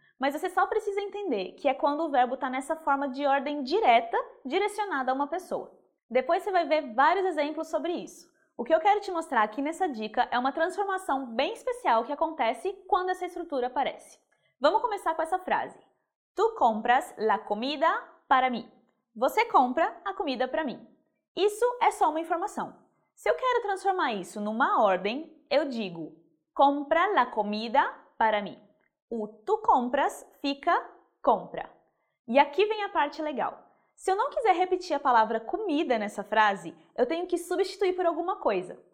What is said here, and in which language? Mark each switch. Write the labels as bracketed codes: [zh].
[pt] Mas você só precisa entender que é quando o verbo está nessa forma de ordem direta, direcionada a uma pessoa. Depois você vai ver vários exemplos sobre isso. O que eu quero te mostrar aqui nessa dica é uma transformação bem especial que acontece quando essa estrutura aparece. Vamos começar com essa frase. [es] Tu compras la comida para mí. [pt] Você compra a comida para mim. Isso é só uma informação. Se eu quero transformar isso numa ordem, eu digo compra la comida para mí. O tu compras fica compra. E aqui vem a parte legal. Se eu não quiser repetir a palavra comida nessa frase, eu tenho que substituir por alguma coisa.